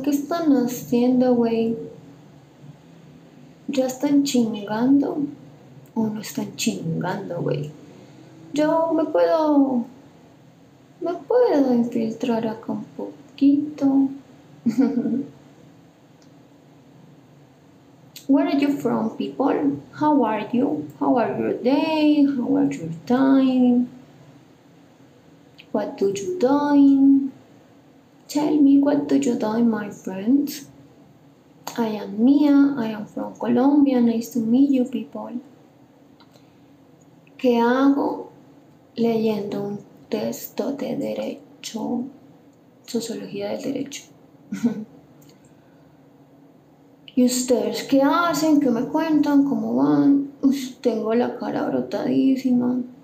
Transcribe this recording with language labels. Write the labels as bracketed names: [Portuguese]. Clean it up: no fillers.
[Spanish] ¿Qué están haciendo, güey? ¿Ya están chingando? ¿O no están chingando, güey? Yo me puedo... me puedo infiltrar acá un poquito. [English] Where are you from, people? How are you? How are your day? How are your time? What do you doing? Tell me, what do you do, my friends? I am Mia, I am from Colombia, nice to meet you, people. [Spanish] ¿Qué hago? Leyendo un texto de derecho, sociología del derecho. ¿Y ustedes qué hacen? ¿Qué me cuentan? ¿Cómo van? Uf, tengo la cara brotadísima.